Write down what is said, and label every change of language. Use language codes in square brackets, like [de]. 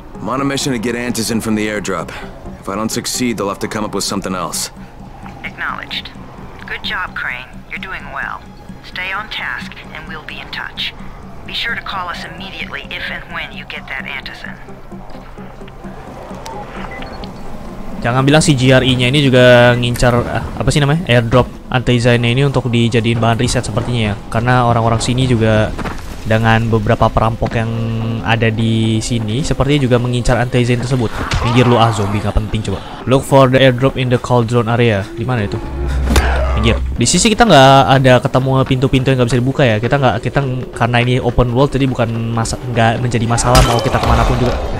[en] I'm on a mission to get antizin from the airdrop. If I don't succeed, they'll have to come up with something else. Acknowledged. Good job, Crane. You're doing well. Stay on task, and we'll be in touch. Be sure to call us immediately if and when you get that antizin. [id] Jangan bilang si GRE-nya ini juga ngincar apa sih namanya? Airdrop antizinnya ini untuk dijadiin bahan riset sepertinya ya. Karena orang-orang sini juga dengan beberapa perampok yang ada di sini sepertinya juga mengincar antizin tersebut. Minggir lu ah zombie, enggak penting coba. [en] Look for the airdrop in the cauldron area. [id] Di mana itu? Minggir. Di sisi kita enggak ada ketemu pintu-pintu yang enggak bisa dibuka ya. Kita karena ini open world jadi bukan enggak menjadi masalah mau kita kemana pun juga.